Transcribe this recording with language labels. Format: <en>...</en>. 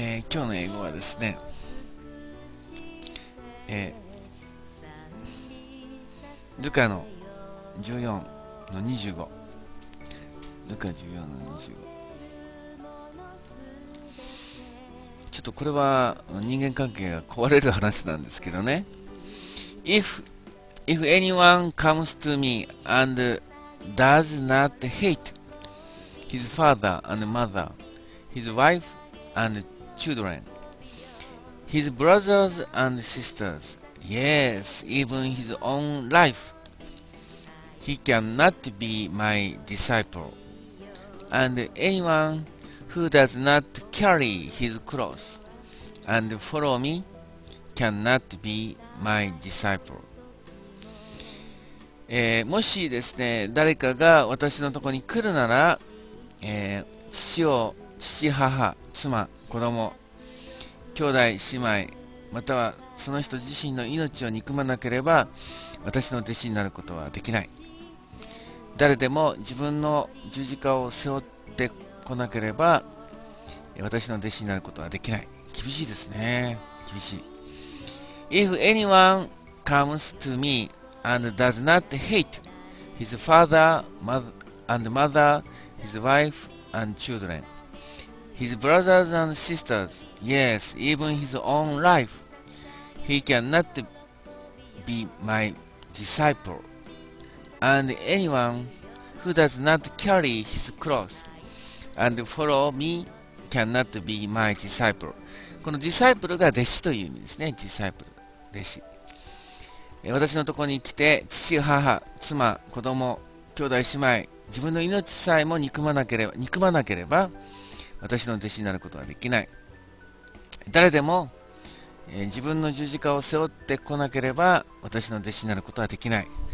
<ja>今日の英語はですね、ルカの14-25、ルカ14-25、ちょっとこれは人間関係が壊れる話なんですけどね。</ja> <en>If anyone comes to me and does not hate his father and mother, his wife and children, his brothers and sisters, yes, even his own life, he cannot be my disciple. And anyone who does not carry his cross and follow me cannot be my disciple.</en> <ja>もしですね、誰かが私のところに来るなら、父母、妻、子供、兄弟、姉妹、またはその人自身の命を憎まなければ私の弟子になることはできない。誰でも自分の十字架を背負ってこなければ私の弟子になることはできない。厳しいですね、厳しい。</ja> <en>If anyone comes to meAnd does not hate his father, mother, and mother, his wife and children, his brothers and sisters, yes, even his own life, he cannot be my disciple. And anyone who does not carry his cross and follow me cannot be my disciple.</en> <ja>この disciple が弟子という意味ですね。disciple、弟子。私のところに来て、父、母、妻、子供、兄弟、姉妹、自分の命さえも憎まなければ、私の弟子になることはできない。誰でも、自分の十字架を背負ってこなければ、私の弟子になることはできない。</ja>